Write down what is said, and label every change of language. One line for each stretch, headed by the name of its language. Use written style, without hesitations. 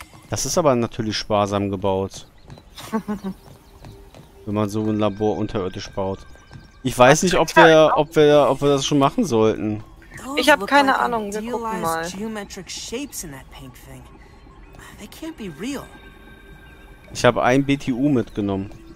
German: Das ist aber natürlich sparsam gebaut. Wenn man so ein Labor unterirdisch baut. Ich weiß nicht, ob wir das schon machen sollten. Ich habe keine Ahnung, wir gucken mal.
English: Geometric shapes in that pink thing. They can't be real.
German: Ich habe ein BTU mitgenommen.